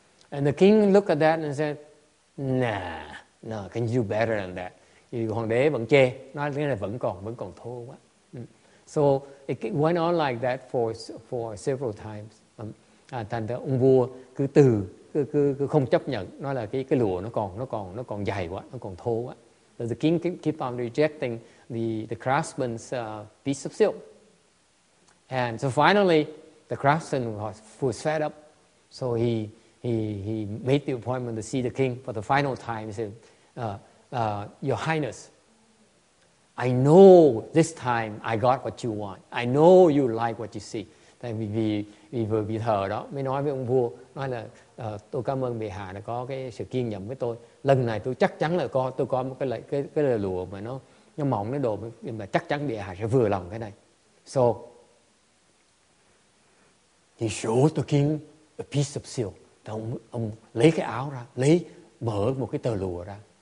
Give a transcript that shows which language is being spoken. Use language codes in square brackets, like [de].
[en] And the king looked at that and said, nah, can you do better than that? [vi] Thì hoàng đế vẫn chê, nói cái này vẫn còn thô quá. [en] So it went on like that for several times. [vi] Thành ra ông vua cứ từ cứ không chấp nhận, nói là cái lụa nó còn dày quá, nó còn thô quá. [en] So the king keep on rejecting the craftsman's piece of silk. And so finally, the craftsman was fed up. So he made the appointment to see the king for the final time. He said, Your Highness, I know this time I got what you want. I know you like what you see. [vi] Tại vì vừa bị thờ đó, mới nói với ông vua, nói là tôi cảm ơn bệ hạ đã có cái sự kiên nhẫn với tôi. Lần này tôi chắc chắn là tôi có một cái lụa mà nó mỏng, nó đồ, mà chắc chắn bệ hạ sẽ vừa lòng cái này. [en] So, he showed the king a piece of silk. [vi] Ông lấy cái áo ra, lấy mở một cái tờ lụa ra.